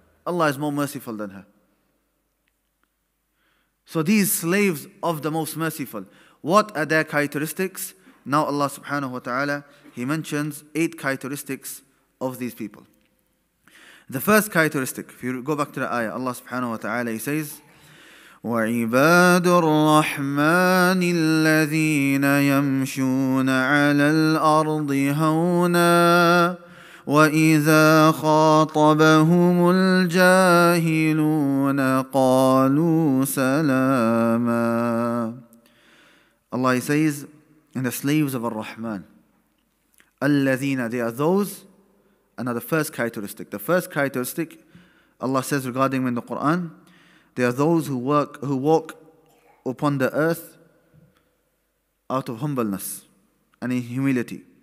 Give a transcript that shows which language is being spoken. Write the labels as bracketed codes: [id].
[en] Allah is more merciful than her. So these slaves of the most merciful, what are their characteristics? Now Allah subhanahu wa ta'ala, He mentions eight characteristics of these people. The first characteristic, if you go back to the ayah, Allah subhanahu wa ta'ala, He says, [ar] وعباد الرحمن الذين يمشون على الأرض هونا وإذا خاطبهم الجاهلون قالوا سلاما. [en] Allah says, and the slaves of Ar-Rahman, الذين, they are those, and are the first characteristic. The first characteristic Allah says regarding in the Quran, they are those who walk upon the earth out of humbleness and in humility.